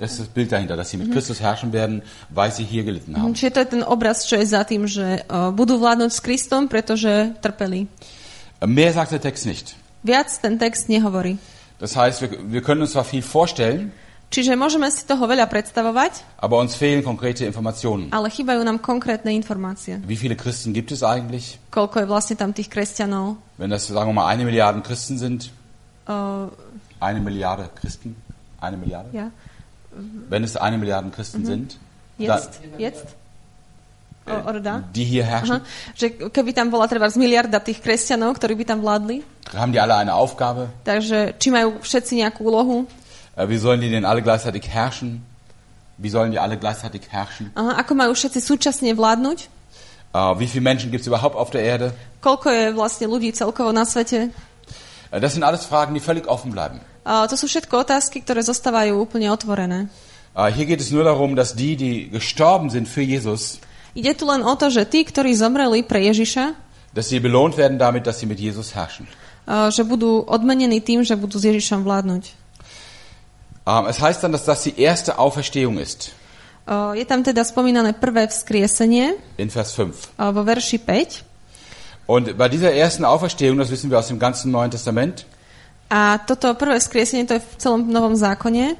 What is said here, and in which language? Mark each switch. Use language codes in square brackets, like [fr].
[de] Das ist das Bild dahinter, dass sie mit Christus herrschen werden, weil sie hier gelitten haben. [sk] Čiže to je ten obraz, čo je za tým, že budú vládnuť s Kristom, pretože trpeli. [de] Mehr sagt der Text nicht. [sk] Viac ten text nehovorí. [de] Das heißt, wir können uns zwar viel vorstellen, [sk] čiže môžeme si toho veľa predstavovať, [de] aber uns fehlen konkrete Informationen. [sk] Ale chýbajú nám konkrétne informácie. [de] Wie viele Christen gibt es eigentlich? [sk] Koľko je vlastne tam tých kresťanov? [de] Wenn das, sagen wir mal, 1 Milliarde Christen sind, 1 Milliarde Christen, 1 Milliarde? Ja. Wenn es 1 Milliarde Christen sind, jetzt? Die hier herrschen. [sk] Že keby tam bola trebárs miliarda tých kresťanov, ktorí by tam vládli. [de] Haben die alle eine Aufgabe? [sk] Takže či majú všetci nejakú úlohu? [de] Wie sollen die denn alle gleichzeitig herrschen? Wie sollen die alle gleichzeitig herrschen? [sk] Ako majú všetci súčasne vládnuť? [de] Wie viele Menschen gibt's überhaupt auf der Erde? [sk] Koľko je vlastne ľudí celkovo na svete? [de] Das sind alles Fragen, die völlig offen bleiben. [sk] To sú všetko otázky, ktoré zostávajú úplne otvorené. [de] Hier geht es nur darum, dass die gestorben sind für Jesus. [sk] Ide tu len o to, že tí, ktorí zomreli pre Ježiša, [de] dass sie belohnt werden damit, dass sie mit Jesus herrschen. [sk] Že budú odmenení tým, že budú s Ježišom vládnuť. [de] Es heißt dann, dass das die erste Auferstehung ist. [sk] Je tam teda spomínané prvé vzkriesenie. [de] In Vers 5. [sk] Vo verši 5. [de] Und bei dieser ersten Auferstehung, das wissen wir aus dem ganzen Neuen Testament. [sk] A toto prvé vzkriesenie, to je v celom Novom zákone.